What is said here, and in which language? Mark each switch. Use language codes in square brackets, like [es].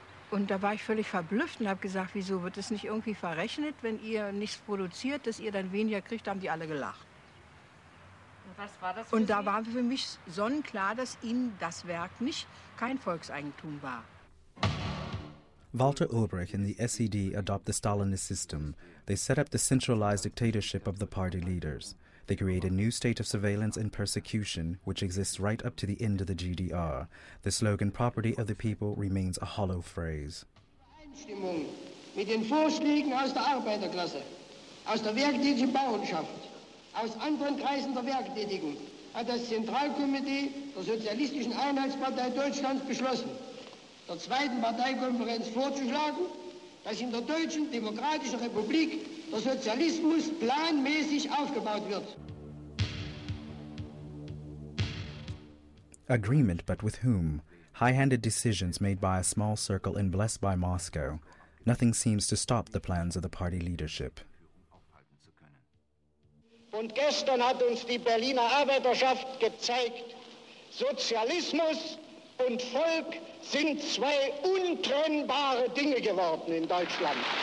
[de] Und da war ich völlig verblüfft und habe gesagt, wieso wird das nicht irgendwie verrechnet, wenn ihr nichts produziert, dass ihr dann weniger kriegt, haben die alle gelacht. Und was war das für Sie? Da war für mich sonnenklar, dass ihnen das Werk nicht kein Volkseigentum war. [en] Walter Ulbricht and the SED adopt the Stalinist system. They set up the centralized dictatorship of the party leaders. They create a new state of surveillance and persecution, which exists right up to the end of the GDR. The slogan, property of the people, remains a hollow phrase. [de] Übereinstimmung mit den Vorschlägen aus der Arbeiterklasse, aus der werktätigen Bauernschaft, aus anderen Kreisen der Werktätigen, hat das Zentralkomitee der Sozialistischen Einheitspartei Deutschlands beschlossen, der zweiten Parteikonferenz vorzuschlagen, dass in der Deutschen Demokratischen Republik der Sozialismus planmäßig aufgebaut wird. [en] Agreement, but with whom? High-handed decisions made by a small circle and blessed by Moscow. Nothing seems to stop the plans of the party leadership. [de] Und gestern hat uns die Berliner Arbeiterschaft gezeigt, Sozialismus und Volk sind zwei untrennbare Dinge geworden in Deutschland.